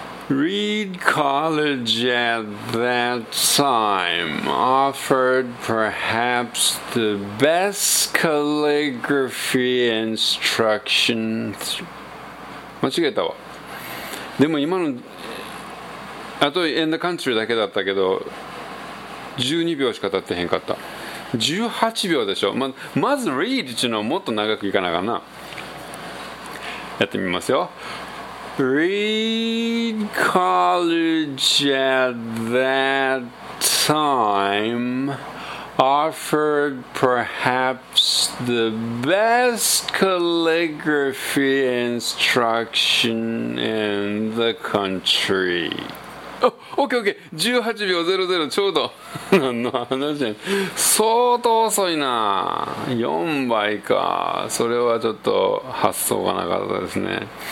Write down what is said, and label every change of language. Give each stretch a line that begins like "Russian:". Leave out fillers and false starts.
English: Reed College at that time offered perhaps the best calligraphy instruction。
Japanese: 間違えたわ。でも今のあと
English: in the country
Japanese: だけだったけど、12秒しか経ってへんかった。 18秒でしょ。まず read っていうのはもっと長くいかなかな。やってみますよ。
English: Read college at that time offered perhaps the best calligraphy instruction in the country。
Japanese: OKOK、 18秒00ちょうど。何の話やん、相当遅いな。 4倍か、それはちょっと発想がなかったですね。